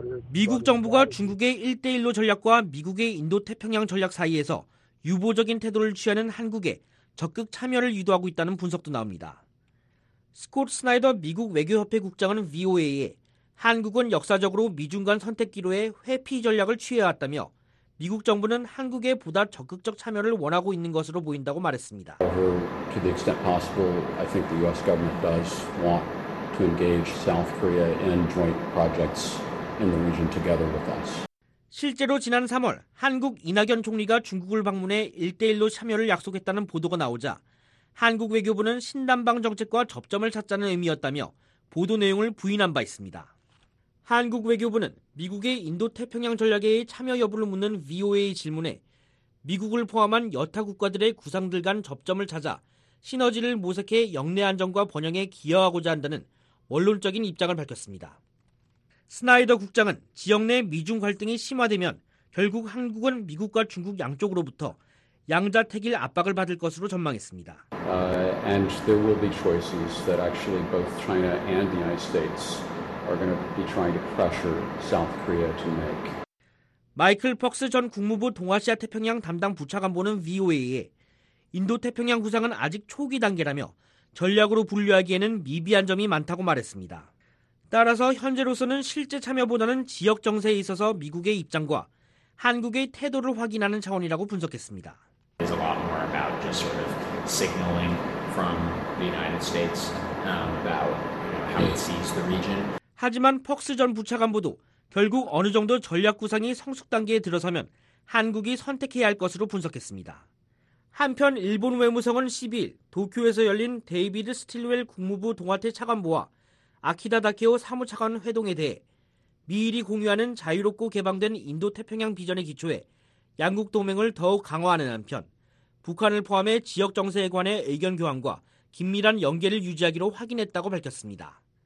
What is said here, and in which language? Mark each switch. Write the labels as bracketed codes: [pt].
[ko] 미국 정부가 중국의 1대1로 전략과 미국의 인도-태평양 전략 사이에서 유보적인 태도를 취하는 한국에 적극 참여를 유도하고 있다는 분석도 나옵니다. 스콧 스나이더 미국 외교협회 국장은 VOA에 한국은 역사적으로 미중 간 선택기로의 회피 전략을 취해왔다며 미국 정부는 한국에 보다 적극적 참여를 원하고 있는 것으로 보인다고 말했습니다. [en] To the extent possible, I think the U.S. government does want to engage South Korea in joint projects in the region together with us. [ko] 실제로 지난 3월 한국 이낙연 총리가 중국을 방문해 1대1로 참여를 약속했다는 보도가 나오자 한국 외교부는 신남방 정책과 접점을 찾자는 의미였다며 보도 내용을 부인한 바 있습니다. 한국 외교부는 미국의 인도-태평양 전략에 참여 여부를 묻는 VOA 질문에 미국을 포함한 여타 국가들의 구상들 간 접점을 찾아 시너지를 모색해 역내 안정과 번영에 기여하고자 한다는 원론적인 입장을 밝혔습니다. 스나이더 국장은 지역 내 미중 갈등이 심화되면 결국 한국은 미국과 중국 양쪽으로부터 양자택일 압박을 받을 것으로 전망했습니다. [en] And there will be choices that actually both China and the United States are going to be trying to pressure South Korea to make. [ko] 마이클 펑스 전 국무부 동아시아 태평양 담당 부차관보는 VOA에 인도-태평양 구상은 아직 초기 단계라며 전략으로 분류하기에는 미비한 점이 많다고 말했습니다. 따라서 현재로서는 실제 참여보다는 지역 정세에 있어서 미국의 입장과 한국의 태도를 확인하는 차원이라고 분석했습니다. [en] It's a lot more about just sort of signaling from the United States about how it sees the region. [ko] 하지만 펑스 전 부차관보도 결국 어느 정도 전략 구상이 성숙 단계에 들어서면 한국이 선택해야 할 것으로 분석했습니다. 한편 일본 외무성은 12일 도쿄에서 열린 데이비드 스틸웰 국무부 동아태 차관보와 아키다 다케오 사무차관 회동에 대해 미일이 공유하는 자유롭고 개방된 인도-태평양 비전에 기초해 양국 동맹을 더욱 강화하는 한편 북한을 포함해 지역 정세에 관해 의견 교환과 긴밀한 연계를 유지하기로 확인했다고 밝혔습니다.